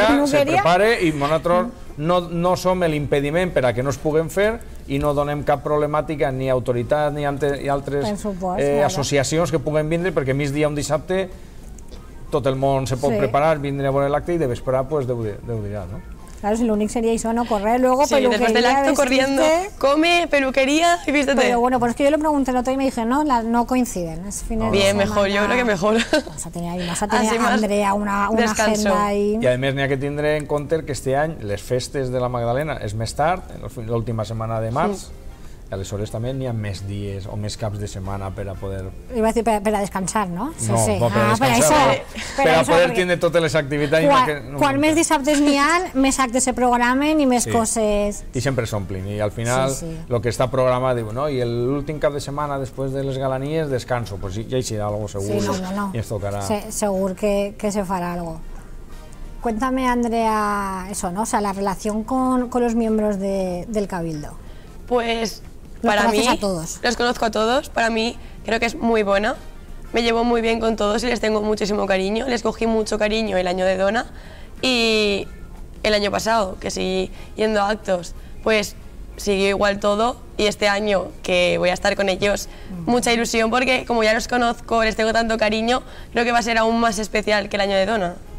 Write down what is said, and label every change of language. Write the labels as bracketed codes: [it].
[ca] Se prepare i nosaltres no som l'impediment per a que no es puguem fer i no donem cap problemàtica ni autoritat ni altres associacions que puguem vindre perquè migdia un dissabte tot el món se pot preparar, vindre a veure l'acte i de vesprà, pues, Déu dirà, no? Claro, si l'únic seria això, no? [es] Correr, luego sí, peluquería, después del acto, corriendo, come, peluquería y vístete. Pero bueno, pues es que yo le pregunté el otro y me dije, no, no coinciden. Es fines bien, de semana, mejor, yo creo que mejor. Vas a tener ahí, vas a tener así a Andrea una descanso. Agenda ahí. [ca] Y además, n'hi ha que tindre en compte que este any les festes de la Magdalena és més tard, l'última setmana de març, sí. I aleshores també n'hi ha més dies o més caps de setmana per a poder... I vaig dir per a descansar, no? Sí, no, sí. No, per a descansar, per a, això, per a poder tindre totes les activitats. Quan més dissabtes n'hi ha, més actes se programen i més sí. Coses... I sempre s'omplin. I al final, el sí, sí. Que està programat, diu, no? I l'últim cap de setmana, després de les galanies, descanso. Pues ja hi serà alguna cosa, segur. Sí, no. I es tocarà. Sí, segur que se farà alguna cosa. [es] Cuéntame, Andrea, eso, ¿no? O sea, la relación con los miembros del Cabildo. Pues... Para mí, a todos. Los conozco a todos, para mí creo que es muy buena, me llevo muy bien con todos y les tengo muchísimo cariño, les cogí mucho cariño el año de Dona y el año pasado, que seguí yendo a actos, pues siguió igual todo y este año que voy a estar con ellos, mucha ilusión porque como ya los conozco, les tengo tanto cariño, creo que va a ser aún más especial que el año de Dona.